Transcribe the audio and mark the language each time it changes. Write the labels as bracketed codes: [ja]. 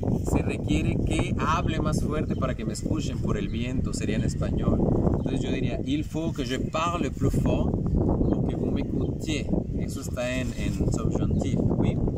[es] Se requiere que hable más fuerte para que me escuchen por el viento, sería en español. Entonces yo diría, [fr] il faut que je parle plus fort pour que vous m'écoutiez. [es] Eso está en subjuntivo, oui.